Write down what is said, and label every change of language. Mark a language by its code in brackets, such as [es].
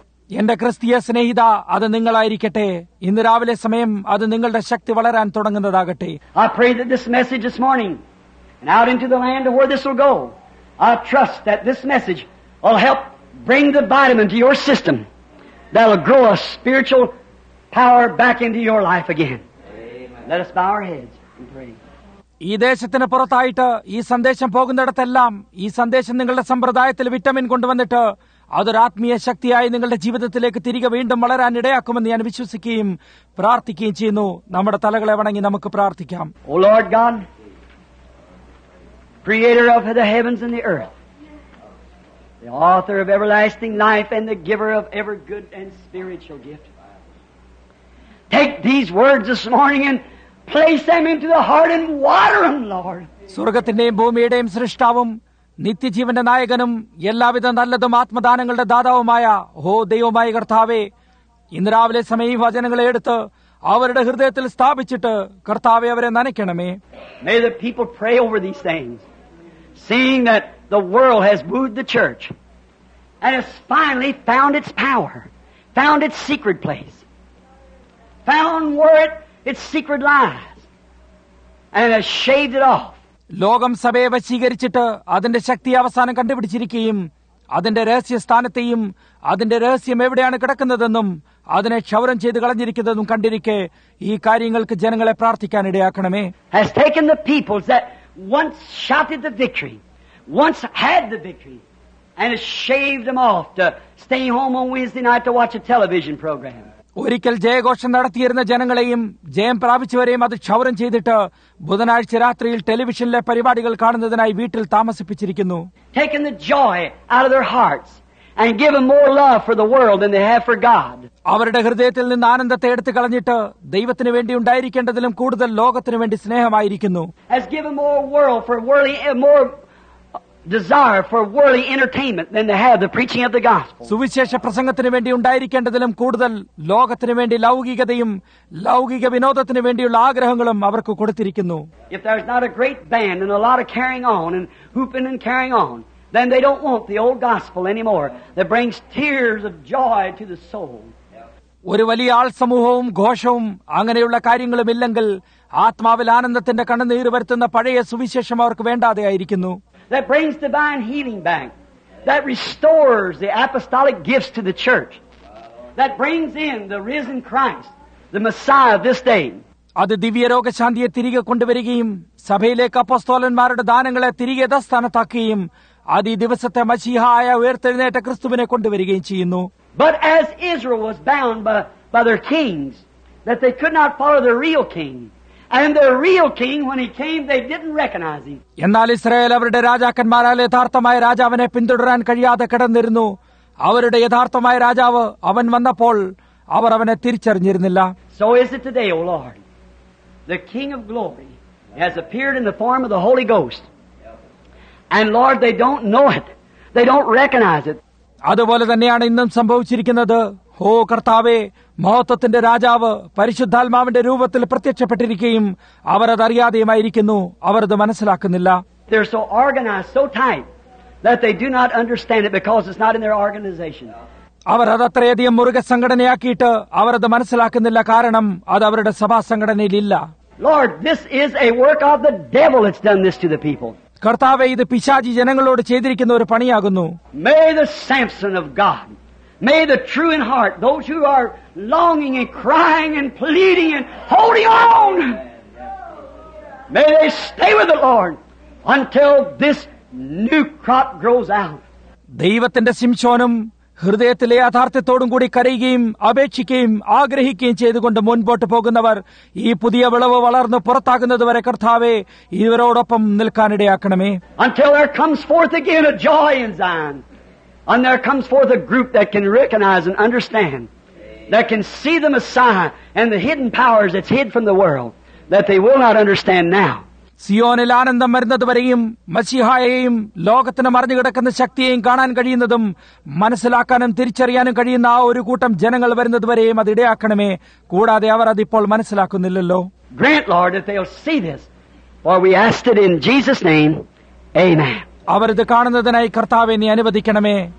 [ml] എന്റെ ക്രിസ്തീയ സ്നേഹിത, അത് നിങ്ങളായിരിക്കട്ടെ. ഇന്ന് രാവിലെ സമയം അത് നിങ്ങളുടെ ശക്തി വളരാൻ തുടങ്ങുന്നതാകട്ടെ. [en] I pray that this message this morning and out into the land of where this will go, I trust that this message will help bring the vitamin to your system that will grow a spiritual power back into your life again. Amen. Let us bow our heads and pray. [ml] ഈ ദേശത്തിന് പുറത്തായിട്ട് ഈ സന്ദേശം പോകുന്നിടത്തെല്ലാം ഈ സന്ദേശം നിങ്ങളുടെ സമ്പ്രദായത്തിൽ vitamin കൊണ്ടുവന്നിട്ട് അതൊരാത്മീയ ശക്തിയായി നിങ്ങളുടെ ജീവിതത്തിലേക്ക് തിരികെ വീണ്ടും വളരാൻ ഇടയാക്കുമെന്ന് ഞാൻ വിശ്വസിക്കുകയും പ്രാർത്ഥിക്കുകയും ചെയ്യുന്നു. നമ്മുടെ തലകളെ വണങ്ങി നമുക്ക് പ്രാർത്ഥിക്കാം. [en] O Lord God, creator of the heavens and the earth, the author of everlasting life and the giver of every good and spiritual gift, take these words this morning and place them into the heart and water them, Lord. [ml] സ്വർഗത്തിന്റെയും ഭൂമിയുടെയും സൃഷ്ടാവും നിത്യജീവന്റെ നായകനും എല്ലാവിധ നല്ലതും ആത്മദാനങ്ങളുടെ ദാതാവുമായ ഹോ ദൈവമായ കർത്താവേ, ഇന്ന് രാവിലെ സമയം വചനങ്ങളെ എടുത്ത് അവരുടെ ഹൃദയത്തിൽ സ്ഥാപിച്ചിട്ട് കർത്താവെ അവരെ നനയ്ക്കണമേ. [en] May the people pray over these things, seeing that the world has booed the church and has finally found its power, found its secret place, found where its secret lies, and has shaved it off. [ml] ലോകം സഭയെ വശീകരിച്ചിട്ട് അതിന്റെ ശക്തി അവസാനം കണ്ടുപിടിച്ചിരിക്കുകയും അതിന്റെ രഹസ്യസ്ഥാനത്തെയും അതിന്റെ രഹസ്യം എവിടെയാണ് കിടക്കുന്നതെന്നും അതിനെ ക്ഷൗരം ചെയ്ത് കളഞ്ഞിരിക്കുന്നതും കണ്ടിരിക്കെ ഈ കാര്യങ്ങൾക്ക് ജനങ്ങളെ പ്രാർത്ഥിക്കാനിടയാക്കണമേ. [en] Has taken the peoples that once shouted the victory, once had the victory, and has shaved them off to stay home on Wednesday night to watch a television program. [ml] ഒരിക്കൽ ജയഘോഷം നടത്തിയിരുന്ന ജനങ്ങളെയും ജയം പ്രാപിച്ചവരെയും അത് ക്ഷൗരം ചെയ്തിട്ട് ബുധനാഴ്ച രാത്രിയിൽ ടെലിവിഷനിലെ പരിപാടികൾ കാണുന്നതിനായി വീട്ടിൽ താമസിപ്പിച്ചിരിക്കുന്നു. [en] Taking the joy out of their hearts and give them more love for the world than they have for God. [ml] അവരുടെ ഹൃദയത്തിൽ നിന്ന് ആനന്ദത്തെ എടുത്തു കളഞ്ഞിട്ട് ദൈവത്തിന് വേണ്ടി ഉണ്ടായിരിക്കേണ്ടതിലും കൂടുതൽ ലോകത്തിന് വേണ്ടി സ്നേഹമായിരിക്കുന്നു. [en] Has given more world for worldly, more desire for worldly entertainment than they have the preaching of the gospel. [ml] സുവിശേഷ പ്രസംഗത്തിനു വേണ്ടി ഉണ്ടായിരിക്കേണ്ടതിലും കൂടുതൽ ലോകത്തിനു വേണ്ടി ലൗകികതയും ലൗകിക വിനോദത്തിനു വേണ്ടിയുള്ള ആഗ്രഹങ്ങളും അവർക്ക് കൊടുത്തിരിക്കുന്നു. [en] If there's not a great band and a lot of carrying on and whooping and carrying on, then they don't want the old gospel anymore that brings tears of joy to the soul. [ml] ഒരു വലിയ ആൾ സമൂഹവും ഘോഷവും അങ്ങനെയുള്ള കാര്യങ്ങളും ഇല്ലെങ്കിൽ ആത്മാവിൽ ആനന്ദത്തിന്റെ കണ്ണുനീർ വരുത്തുന്ന പഴയ സുവിശേഷം അവർക്ക് വേണ്ടാതെയായിരിക്കുന്നു. [en] That brings divine healing back. That restores the apostolic gifts to the church. That brings in the risen Christ, the Messiah of this day. [ml] അത് ദിവ്യരോഗശാന്തിയെ തിരികെ കൊണ്ടുവരികയും സഭയിലേക്ക് അപ്പോസ്തോലന്മാരുടെ ദാനങ്ങളെ തിരികെ യഥാസ്ഥാനത്താക്കുകയും അത് ഈ ദിവസത്തെ മശീഹായ ഉയർത്തെഴുന്നേറ്റ ക്രിസ്തുവിനെ കൊണ്ടുവരികയും ചെയ്യുന്നു. [en] But as Israel was bound by their kings, that they could not follow their real king. And their real king, when he came, they didn't recognize him. [ml] എന്നാൽ ഇസ്രായേൽ അവരുടെ രാജാക്കന്മാരാൽ യഥാർത്ഥമായ രാജാവിനെ പിന്തുടരാൻ കഴിയാതെ കിടന്നിരുന്നു. അവരുടെ യഥാർത്ഥമായ രാജാവ് അവൻ വന്നപ്പോൾ അവർ അവനെ തിരിച്ചറിഞ്ഞിരുന്നില്ല. [en] So is it today, O Lord. The King of glory has appeared in the form of the Holy Ghost. And Lord, they don't know it. They don't recognize it. [ml] അതുപോലെ തന്നെയാണ് ഇന്നും സംഭവിച്ചിരിക്കുന്നത്. ഹോ കർത്താവേ, മഹത്വത്തിന്റെ രാജാവ് പരിശുദ്ധാത്മാവിന്റെ രൂപത്തിൽ പ്രത്യക്ഷപ്പെട്ടിരിക്കുകയും അവരതറിയാതെയുമായിരിക്കുന്നു. അവരത് മനസ്സിലാക്കുന്നില്ല. [en] They're so organized, so tight, that they do not understand it because it's not in their organization. [ml] അവർ അതത്രയധികം മുറുകെ സംഘടനയാക്കിയിട്ട് അവരത് മനസ്സിലാക്കുന്നില്ല. കാരണം അത് അവരുടെ സഭാസംഘടനയിലില്ല. [en] Lord, this is a work of the devil. It's done this to the people. [ml] കർത്താവെ, ഇത് പിശാചി ജനങ്ങളോട് ചെയ്തിരിക്കുന്ന ഒരു പണിയാകുന്നു. [en] May the Samson of God, may the true in heart, those who are longing and crying and pleading and holding on, may they stay with the Lord until this new crop grows out. [ml] ദൈവത്തിന്റെ ശിംശോനും ഹൃദയത്തിലെ യാഥാർത്ഥ്യത്തോടും കൂടി കരയുകയും അപേക്ഷിക്കുകയും ആഗ്രഹിക്കുകയും ചെയ്തുകൊണ്ട് മുൻപോട്ട് പോകുന്നവർ ഈ പുതിയ വിളവ് വളർന്ന് പുറത്താകുന്നതുവരെ കർത്താവെ ഇവരോടൊപ്പം നിൽക്കാനിടയാക്കണമേ. [en] Until there comes forth again a joy in Zion, and there comes forth a group that can recognize and understand, that can see the Messiah and the hidden powers that's hid from the world that they will not understand now. [ml] സിയോനിൽ ആനന്ദം വരുന്നതുവരെയും മശിഹായെയും ലോകത്തിന് മറിഞ്ഞുകിടക്കുന്ന ശക്തിയെയും കാണാൻ കഴിയുന്നതും മനസ്സിലാക്കാനും തിരിച്ചറിയാനും കഴിയുന്ന ആ ഒരു കൂട്ടം ജനങ്ങൾ വരുന്നതുവരെയും അത് ഇടയാക്കണമേ. കൂടാതെ അവർ അതിപ്പോൾ മനസ്സിലാക്കുന്നില്ലല്ലോ. [en] Grant, Lord, that they'll see this, for we ask it in Jesus' name. Amen. [ml] അവരത് കാണുന്നതിനായി കർത്താവെ നീ അനുവദിക്കണമേ.